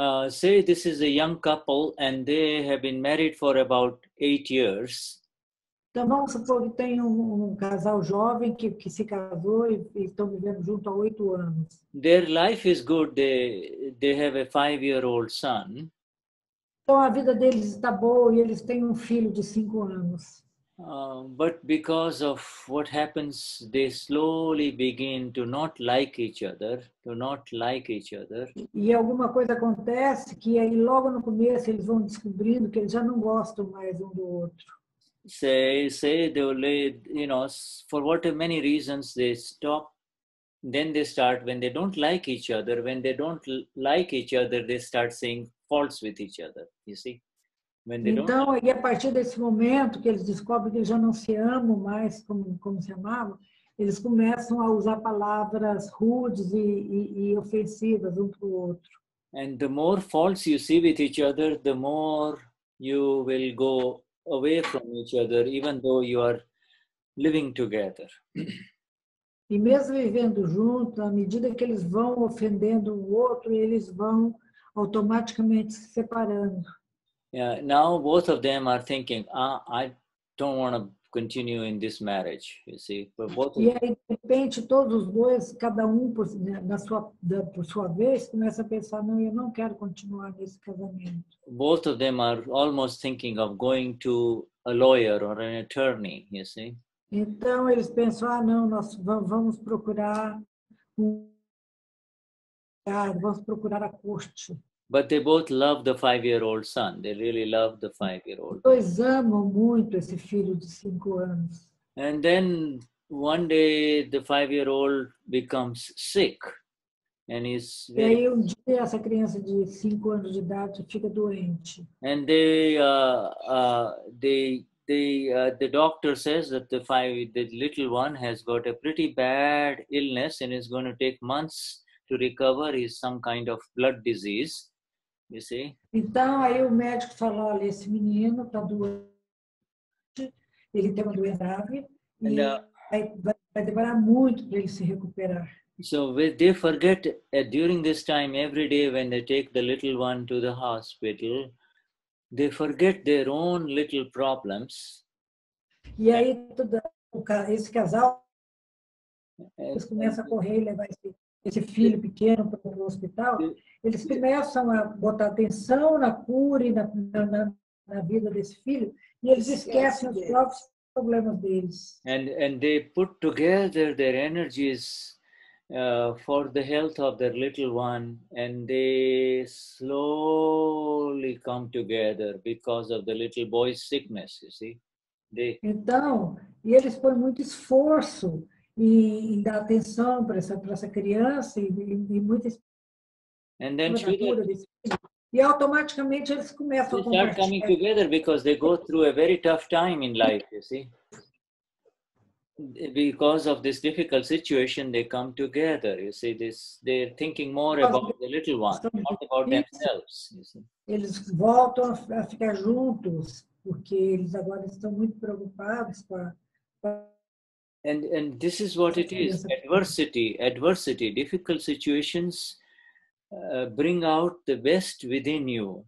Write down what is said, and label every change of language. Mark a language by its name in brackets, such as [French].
[English] Say this is a young couple and they have been married for about 8 years. [Portuguese] Então vamos supor que tem um casal jovem que se casou e estão vivendo junto há 8 anos. [English] Their life is good. They have a 5-year-old son. [Portuguese] Então a vida deles está boa e eles têm um filho de 5 anos. [English] But because of what happens, they slowly begin to not like each other, to not like each other. [Portuguese] E alguma coisa acontece que aí logo no começo eles vão descobrindo que eles já não gostam mais do outro. [English] Say they will, you know, for what many reasons they stop. Then they start, when they don't like each other, when they don't like each other, they start saying faults with each other, you see. [Portuguese] Então, aí a partir desse momento que eles descobrem que eles já não se amam mais como se amavam, eles começam a usar palavras rudes e ofensivas um para o outro. [English] And the more faults you see with each other, the more you will go away from each other, even though you are living together. [Portuguese] E mesmo vivendo junto, à medida que eles vão ofendendo o outro, eles vão automaticamente se separando. [English] Yeah, now both of them are thinking, I don't want to continue in this marriage, you see. But both of them, [Portuguese] de repente, todos os dois, cada um por sua vez, começa a pensar, não, eu não quero continuar nesse casamento. [English] Both of them are almost thinking of going to a lawyer or an attorney, you see. [Portuguese] Então eles pensam, não, nós vamos procurar a corte. [English] But they both love the 5-year-old son. They really love the 5-year-old. [Portuguese] Dois amam muito esse filho de 5 anos. [English] And then one day the 5-year-old becomes sick and is very... [Portuguese] E aí dia essa criança de 5 anos de idade fica doente. [English] And the doctor says that the little one has got a pretty bad illness and is going to take months to recover. He's some kind of blood disease. You see? [Portuguese] Então aí o médico falou, olha, esse menino está doente, ele tem uma doença grave vai demorar muito para ele se recuperar. [English] So they forget during this time every day when they take the little one to the hospital, they forget their own little problems. [Portuguese] E aí esse casal começa a correr e levar esse filho pequeno para o hospital. Eles começam a botar atenção na cura e na vida desse filho e eles esquecem os próprios problemas deles. [English] And they put together their energies for the health of their little one and they slowly come together because of the little boy's sickness, you see. [Portuguese] Então, e eles põem muito esforço em dar atenção para essa criança e muita [English] And then [Portuguese] e automaticamente eles começam [English] a start coming together because they go through a very tough time in life, you see. Because of this difficult situation, they come together, you see. This they're thinking more about the little one, not about themselves, you see. [Portuguese] Eles voltam a ficar juntos porque eles agora estão muito preocupados [English] And this is what it is. Adversity, difficult situations bring out the best within you.